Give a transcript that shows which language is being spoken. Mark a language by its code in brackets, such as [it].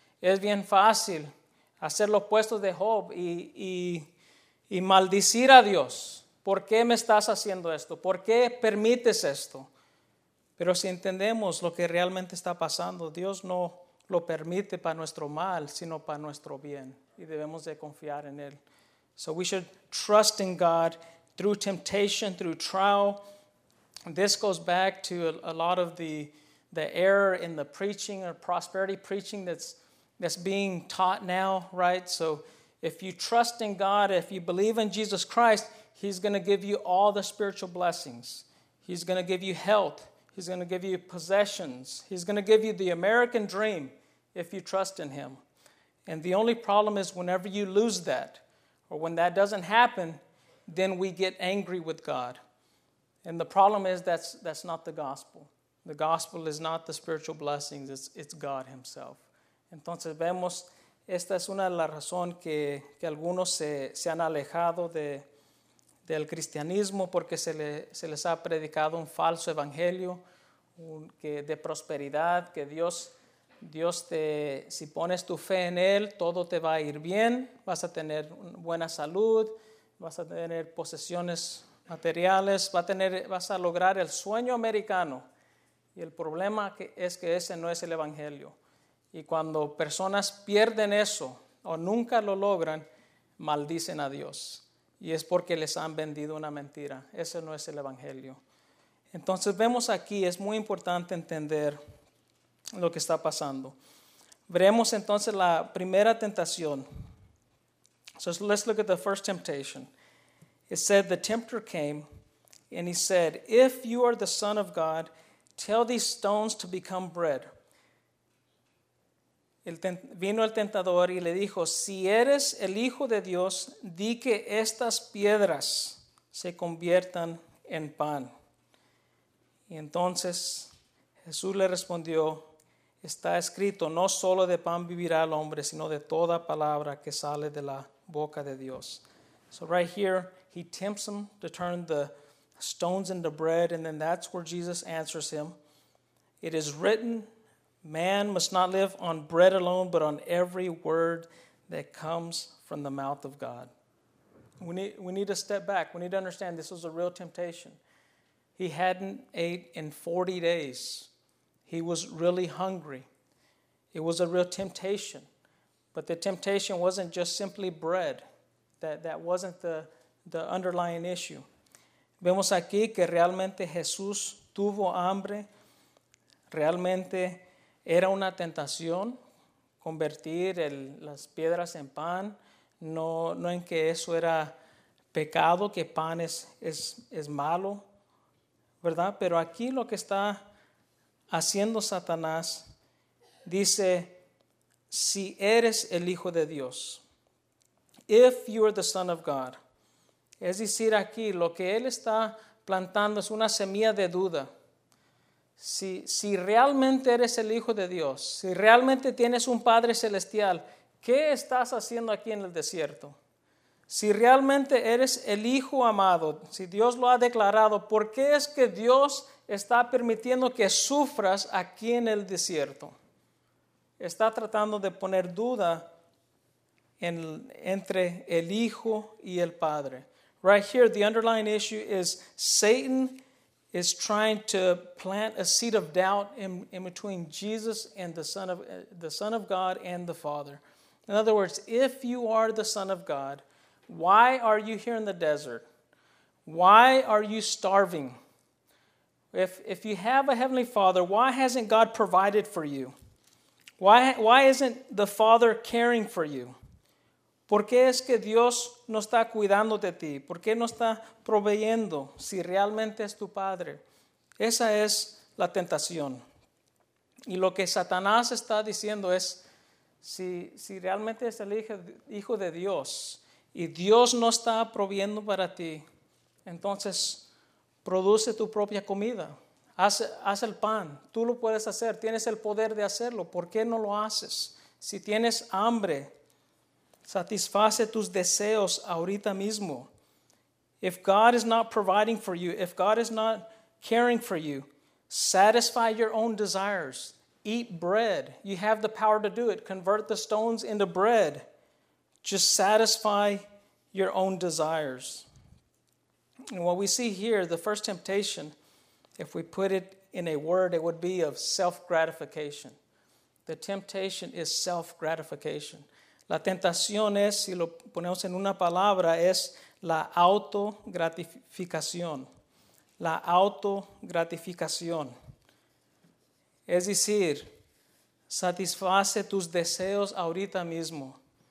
[es] Es bien fácil hacer lo opuesto de Job y maldecir a Dios. ¿Por qué me estás haciendo esto? ¿Por qué permites esto? Pero si entendemos lo que realmente está pasando, Dios no lo permite para nuestro mal, sino para nuestro bien. Y debemos de confiar en Él. [en] So we should trust in God through temptation, through trial. This goes back to a lot of the error in the preaching or prosperity preaching that's being taught now, right? So if you trust in God, if you believe in Jesus Christ, he's going to give you all the spiritual blessings. He's going to give you health. He's going to give you possessions. He's going to give you the American dream if you trust in him. And the only problem is whenever you lose that, or when that doesn't happen, then we get angry with God. And the problem is that's not the gospel. The gospel is not the spiritual blessings. It's God himself. [es] Entonces vemos, esta es una de las razones que algunos se han alejado del cristianismo porque se les ha predicado un falso evangelio que de prosperidad, que Dios te, si pones tu fe en Él, todo te va a ir bien, vas a tener buena salud, vas a tener posesiones materiales, vas a lograr el sueño americano. Y el problema es que ese no es el evangelio. Y cuando personas pierden eso o nunca lo logran, maldicen a Dios. Y es porque les han vendido una mentira. Ese no es el evangelio. Entonces vemos aquí, es muy importante entender lo que está pasando. Veremos entonces la primera tentación. [en] So let's look at the first temptation. It said the tempter came and he said, "If you are the Son of God, tell these stones to become bread." [es] vino el tentador y le dijo, si eres el Hijo de Dios, di que estas piedras se conviertan en pan. Y entonces Jesús le respondió, está escrito, no solo de pan vivirá el hombre, sino de toda palabra que sale de la boca de Dios. [en] So right here, he tempts him to turn the stones into bread, and then that's where Jesus answers him. It is written, man must not live on bread alone, but on every word that comes from the mouth of God. We need to step back. We need to understand this was a real temptation. He hadn't ate in 40 days. He was really hungry. It was a real temptation. But the temptation wasn't just simply bread. That wasn't the underlying issue. [es] Vemos aquí que realmente Jesús tuvo hambre. Realmente era una tentación convertir las piedras en pan. No en que eso era pecado, que pan es malo, ¿verdad? Pero aquí lo que está haciendo Satanás dice, si eres el Hijo de Dios, [en] if you are the Son of God. [es] Es decir, aquí lo que él está plantando es una semilla de duda. Si realmente eres el Hijo de Dios, si realmente tienes un Padre Celestial, ¿qué estás haciendo aquí en el desierto? Si realmente eres el Hijo amado, si Dios lo ha declarado, ¿por qué es que Dios está permitiendo que sufras aquí en el desierto? Está tratando de poner duda entre el Hijo y el Padre. [en] Right here, the underlying issue is Satan is trying to plant a seed of doubt in between Jesus and the Son of God and the Father. In other words, if you are the Son of God, why are you here in the desert? Why are you starving? If you have a Heavenly Father, why hasn't God provided for you? Why isn't the Father caring for you? [es] ¿Por qué es que Dios no está cuidando de ti? ¿Por qué no está proveyendo si realmente es tu Padre? Esa es la tentación. Y lo que Satanás está diciendo es, si realmente es el Hijo de Dios y Dios no está proveyendo para ti, entonces produce tu propia comida. Haz el pan. Tú lo puedes hacer. Tienes el poder de hacerlo. ¿Por qué no lo haces? Si tienes hambre, satisface tus deseos ahorita mismo. [en] If God is not providing for you, if God is not caring for you, satisfy your own desires. Eat bread. You have the power to do it. Convert the stones into bread. Just satisfy your own desires. And what we see here, the first temptation, if we put it in a word, it would be of self-gratification. The temptation is self-gratification. [es] La tentación es, si lo ponemos en una palabra, es la autogratificación. La autogratificación. Es decir, satisface tus deseos ahorita mismo.